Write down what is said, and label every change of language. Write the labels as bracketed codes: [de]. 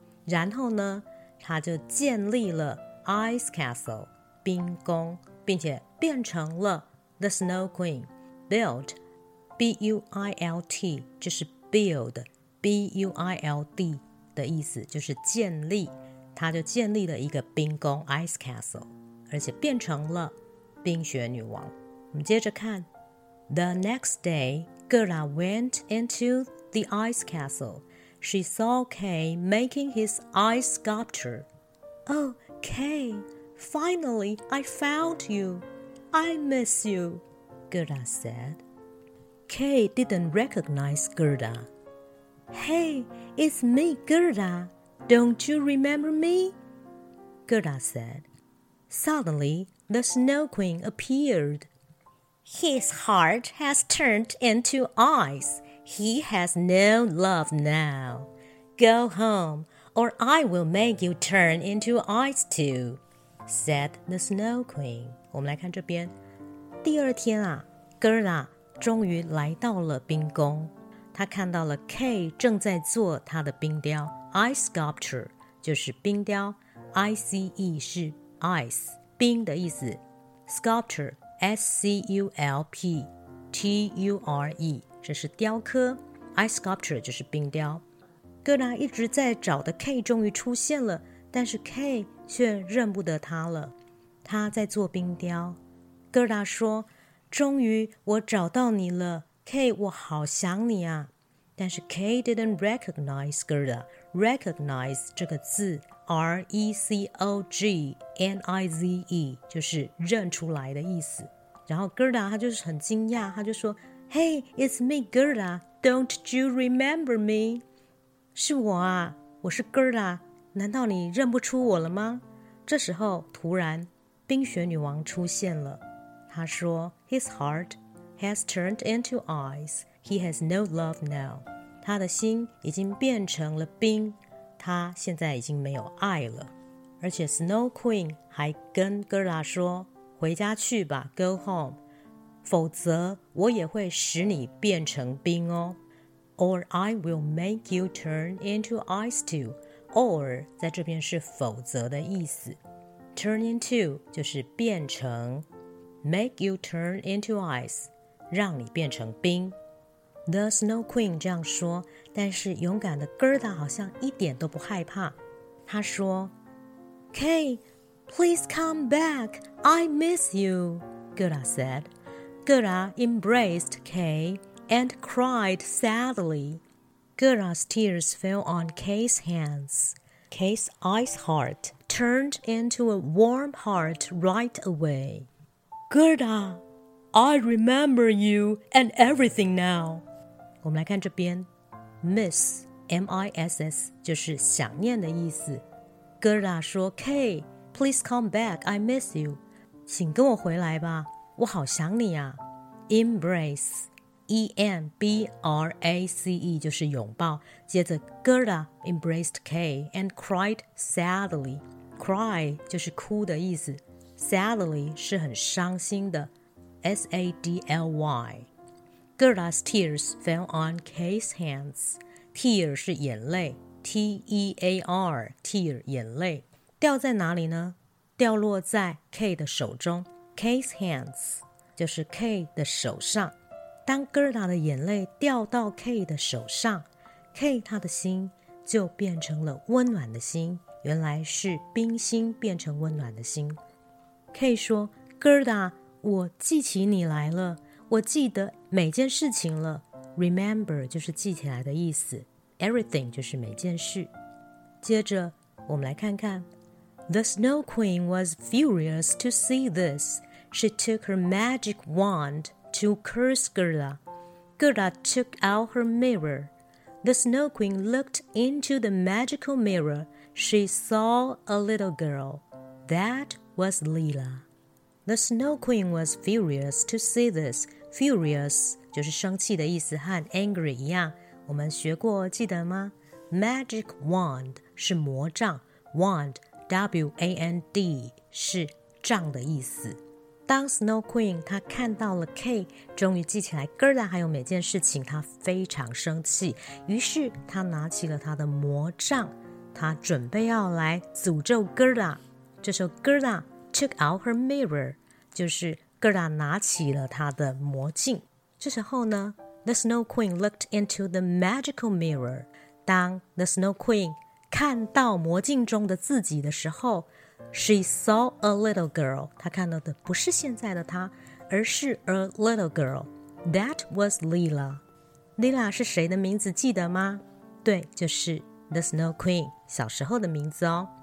[zh] 然后呢她就建立了 Ice Castle 冰宫，并且变成了 The Snow Queen。 Built B-U-I-L-T 就是 build B-U-I-L-D 的意思，就是建立，他就建立了一个冰宫 Ice Castle， 而且变成了冰雪女王。我们接着看 [en] The next day Gerda went into the Ice Castle. She saw Kay making his ice sculpture. Oh Kay, finally I found you. I miss you, Gerda said. Kay didn't recognize Gerda. Hey, it's me, Gerda. Don't you remember me? Gerda said. Suddenly, the Snow Queen appeared. His heart has turned into ice. He has no love now. Go home, or I will make you turn into ice too, said the Snow Queen. [zh] 我们来看这边。第二天啊， Gerda 终于来到了冰宫。他看到了 Kay 正在做他的冰雕。Ice sculpture 就是冰雕， I-C-E 是 ice 冰的意思， sculpture S-C-U-L-P-T-U-R-E 这是雕刻， ice sculpture 就是冰雕。哥拉一直在找的 K 终于出现了，但是 K 却认不得他了，他在做冰雕。哥拉说，终于我找到你了 K， 我好想你啊。但是 [en] K didn't recognize Gerda. [zh] Recognize 这个字 R-E-C-O-G-N-I-Z-E 就是认出来的意思。然后 Gerda 他就是很惊讶，他就说 [en] Hey, it's me, Gerda. Don't you remember me? [zh] 是我啊，我是 Gerda， 难道你认不出我了吗？这时候突然冰雪女王出现了，她说 [en] His heart has turned into ice. He has no love now. [zh] 他的心已经变成了冰，他现在已经没有爱了。而且 Snow Queen 还跟 Gerda 说，回家去吧， [en] go home， [zh] 否则我也会使你变成冰哦。 [en] Or I will make you turn into ice too. [zh] Or 在这边是否则的意思， turn into 就是变成， [en] make you turn into ice [zh] 让你变成冰。 The Snow Queen 这样说，但是勇敢的 Gerda 好像一点都不害怕。他说 [en] Kay, please come back. I miss you, Gerda said. Gerda embraced Kay and cried sadly. Gerda's tears fell on Kay's hands. Kay's ice heart turned into a warm heart right away. Gerda, I remember you and everything now. [zh] 我们来看这边 [en] miss [zh] M-I-S-S 就是想念的意思。 Gerda 说 K, [en] please come back, I miss you, [zh] 请跟我回来吧，我好想你啊。 Embrace, E-M-B-R-A-C-E 就是拥抱。接着 [en] Gerda embraced K and cried sadly. [zh] Cry 就是哭的意思， sadly 是很伤心的， S-A-D-L-Y。 [en] Gerda's tears fell on K's handsTear [zh] 是眼泪， [en] T-E-A-R, tear, 眼泪。 [zh] 掉在哪里呢？掉落在 K 的手中， K's hands, 就是 K 的手上。当 Gerda 的眼泪掉到 K 的手上， K 他的心就变成了温暖的心，原来是冰心变成温暖的心。 K 说， Gerda, 我记起你来了，我记得每件事情了。 Remember 就是记起来的意思， Everything 就是每件事。接着我们来看看， [en] The Snow Queen was furious to see this. She took her magic wand to curse Gerda. Gerda took out her mirror. The Snow Queen looked into the magical mirror. She saw a little girl. That was Leela. The Snow Queen was furious to see this. [zh] Furious就是生气的意思，和 angry 一样，我们学过记得吗？ Magic wand 是魔杖， wand W-A-N-D 是杖的意思。当 Snow Queen 她看到了 K 终于记起来 Gerda 还有每件事情，她非常生气，于是她拿起了她的魔杖，她准备要来诅咒 Gerda。这时候 Gerda [en] took out her mirror, [zh] 就是 Gerda 拿起了她的魔镜。这时候呢， [en] The Snow Queen looked into the magical mirror. [zh] 当 The Snow Queen 看到魔镜中的自己的时候， [en] She saw a little girl. [zh] 她看到的不是现在的她，而是 [en] a little girl. That was Leela. [zh] Leela 是谁的名字记得吗？对，就是 The Snow Queen 小时候的名字哦。